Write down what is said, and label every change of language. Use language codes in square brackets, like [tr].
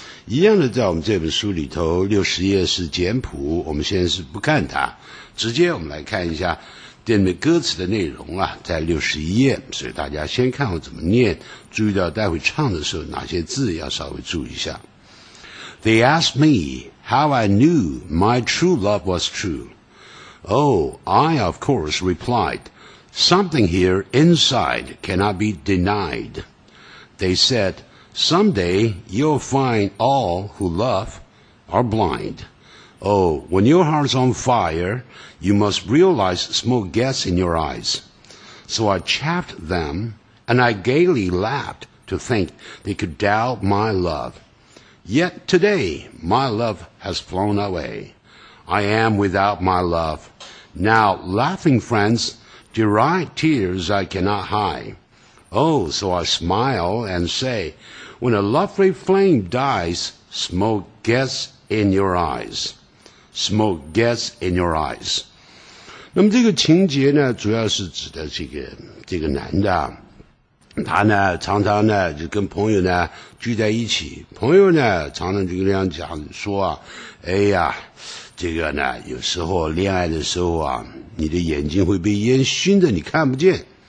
[zh] 一样的，在我们这本书里头60页是简谱，我们现在是不看它，直接我们来看一下电影歌词的内容啊，在61页，所以大家先看我怎么念，注意到待会唱的时候哪些字要稍微注意一下。 [en] They asked me how I knew my true love was true. Oh, I of course replied, something here inside cannot be denied. They said, someday you'll find all who love are blind. Oh, when your heart's on fire, you must realize smoke gets in your eyes. So I chaffed them, and I gaily laughed to think they could doubt my love. Yet today, my love has flown away. I am without my love. Now, laughing friends, deride tears I cannot hide. Oh, so I smile and say, when a lovely flame dies, smoke gets in your eyes. Smoke gets in your eyes。 [zh] 那么这个情节呢，主要是指的这个男的，他呢常常呢就跟朋友呢聚在一起，朋友呢常常就跟他讲说啊，哎呀，这个呢有时候恋爱的时候啊，你的眼睛会被烟熏的，你看不见。